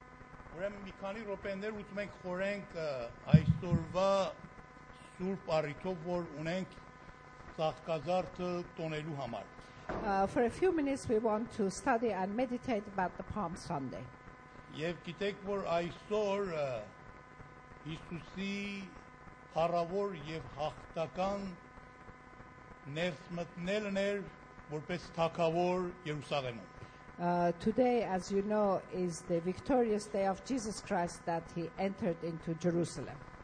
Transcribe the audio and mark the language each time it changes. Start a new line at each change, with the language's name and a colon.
Armenian: Ուրեմն մի քանի րոպեներ ուզում ենք խորենք այսօրվա Սուրբ առիթով, որ ունենք ծաղկազարդը տոնելու համար.
English: For a few minutes we want to study and meditate about the Palm Sunday.
Armenian: Եվ գիտեք, որ այսօր Հիսուսի հառավոր եւ հաղթական ներս մտնելն էր որպես թագավոր Երուսաղեմում.
English: Today, as you know, is the victorious day of Jesus Christ that he entered into Jerusalem